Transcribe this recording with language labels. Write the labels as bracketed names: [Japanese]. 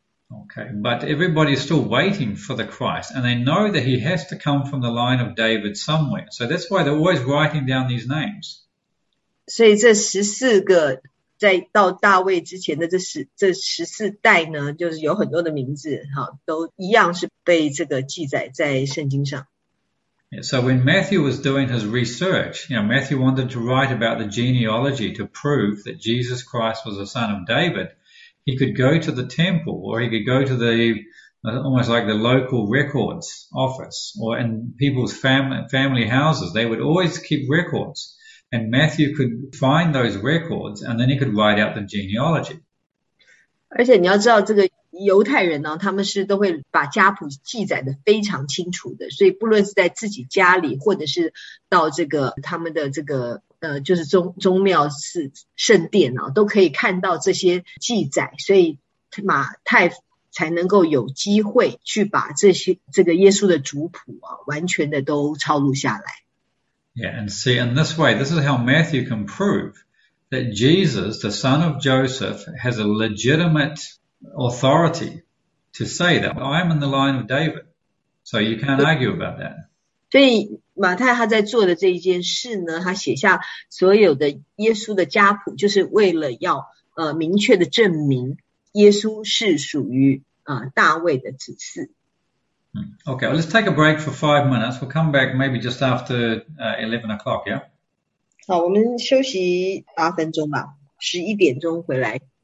[English] Okay, but everybody's still waiting for the Christ, and they know that he has to come from the line of David somewhere. So that's why they're always writing down these names. [Chinese] 所以这14个在到大卫之前的这十四代呢，就是有很多的名字，哈，都一样是被这个记载在圣经上。 [English] So when Matthew was doing his research, Matthew wanted to write about the genealogy to prove that Jesus Christ was a son of David, he could go to the temple or he could go to the almost like the local records office or in people's family houses. They would always keep records, and Matthew could find those records and then he could write out the genealogy. [Chinese] 而且你要知道，这个犹太人呢，他们是都会把家谱记载得非常清楚的，所以不论是在自己家里，或者是到这个他们的这个就是宗庙是圣殿啊，都可以看到这些记载，所以马太才能够有机会去把这个耶稣的族谱啊，完全的都抄录下来。 [English] Yeah, and see, in this way, this is how Matthew can prove that Jesus, the son of Joseph, has a legitimate authority to say that I am in the line of David. So you can't argue about that. [Chinese] 所以马太他在做的这一件事呢，他写下所有的耶稣的家谱，就是为了要明确的证明耶稣是属于大卫的指示。 [English] Okay, well, let's take a break for 5 minutes. We'll come back maybe just after 11 o'clock, yeah? [Chinese] 好，我们休息8分钟吧，11点钟回来。